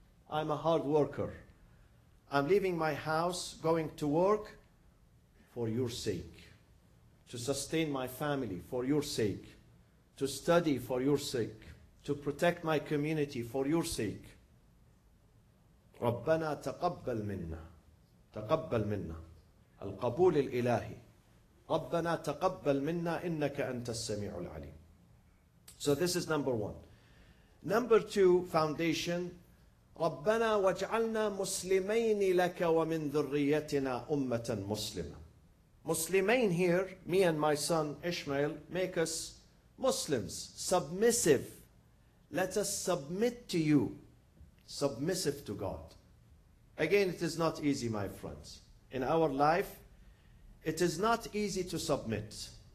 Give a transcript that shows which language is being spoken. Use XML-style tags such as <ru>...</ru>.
<en>I'm a hard worker. I'm leaving my house, going to work for your sake, to sustain my family for your sake, to study for your sake, to protect my community for your sake.</en> <ar>ربنا تقبل منا تقبل منا القبول الإلهي ربنا تقبل منا إنك أنت السميع العليم.</ar> <en>So this is number one. Number two, foundation.</en> <ar>ربنا واجعلنا مسلمين لك ومن ذريتنا أمة مسلمة.</ar> <en>مسلمين here, me and my son Ishmael, make us Muslims, submissive. Let us submit to you, submissive to God. Again, it is not easy, my friends. In our life, it is not easy to submit.</en>